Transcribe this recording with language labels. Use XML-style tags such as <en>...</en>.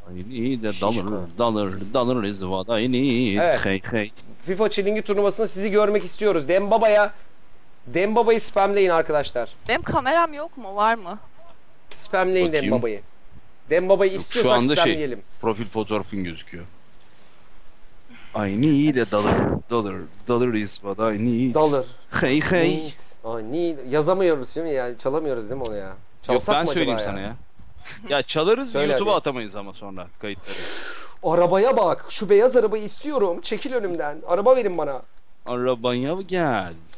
<tr>İyi de dalır rizvada yeni. Evet. Hey. FIFA Çilingi turnuvasında sizi görmek istiyoruz. Dembaba'ya. Dembaba'yı spamleyin arkadaşlar. Benim kameram yok mu? Var mı? Spamleyin bakayım. Dembaba'yı. Dembaba'yı istiyorsak spamleyelim. Şu anda spamleyelim. Şey, profil fotoğrafın gözüküyor.</tr> <en>I need a dollar is what I need. Dollar. Hey hey. Need.</en> <tr>Yazamıyoruz değil mi yani? Çalamıyoruz değil mi onu ya? Çalsak yok, ben mı söyleyeyim acaba sana ya? Ya çalarız. YouTube'a atamayız ama sonra kayıtları. Arabaya bak. Şu beyaz arabayı istiyorum. Çekil önümden. Araba verin bana. Arabaya gel.</tr>